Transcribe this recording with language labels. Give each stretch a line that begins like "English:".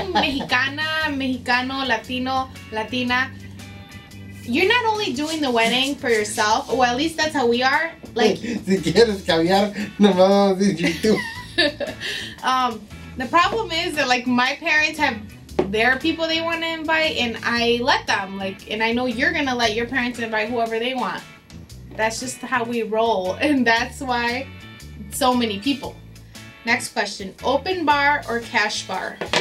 English: Being Mexicana, Mexicano, Latino, Latina, you're not only doing the wedding for yourself, or at least that's how we are. Like,
Spanish: si quieres cambiar, no me lo dices tú.
English: The problem is that, like, my parents have there are people they want to invite, and I let them, like, and I know you're gonna let your parents invite whoever they want. That's just how we roll, and that's why so many people. Next question, open bar or cash bar?